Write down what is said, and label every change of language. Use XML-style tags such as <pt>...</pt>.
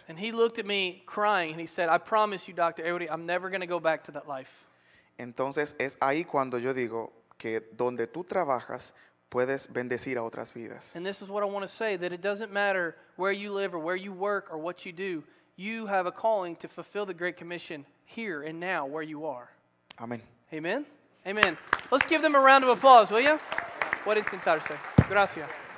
<en>And he looked at me crying and he said, I promise you, Dr. Eury, I'm never going to go back to that life.</en> <es>Entonces es ahí cuando yo digo que donde tú trabajas puedes bendecir a otras vidas.</es> <en>And this is what I want to say, that it doesn't matter where you live or where you work or what you do, you have a calling to fulfill the Great Commission here and now where you are. Amen. Amen. Amen. Let's give them a round of applause, will you?</en> <es>Por intentarse. Gracias.</es>